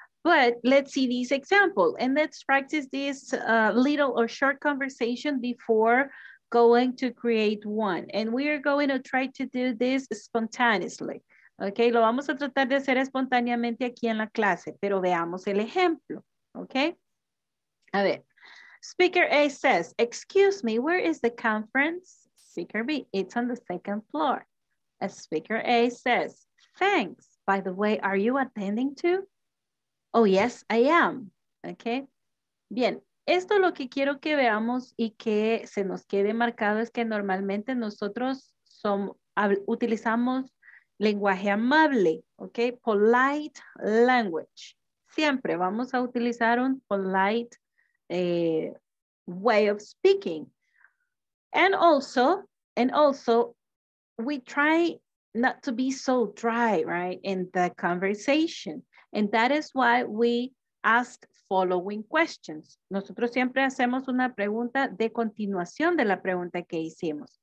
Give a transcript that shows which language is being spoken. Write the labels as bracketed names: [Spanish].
[English] But let's see this example and let's practice this little or short conversation before going to create one. And we are going to try to do this spontaneously. [Spanish] Okay, lo vamos a tratar de hacer espontáneamente aquí en la clase, pero veamos el ejemplo, okay? A ver, [English] speaker A says, excuse me, where is the conference? Speaker B, it's on the second floor. As speaker A says, thanks. By the way, are you attending too? Oh, yes, I am. Okay. [Spanish] Bien, esto lo que quiero que veamos y que se nos quede marcado es que normalmente nosotros utilizamos lenguaje amable, okay? [English] Polite language. [Spanish] Siempre vamos a utilizar un [English] polite way of speaking. And also, we try not to be so dry, right, in the conversation. And that is why we ask following questions. [Spanish] Nosotros siempre hacemos una pregunta de continuación de la pregunta que hicimos.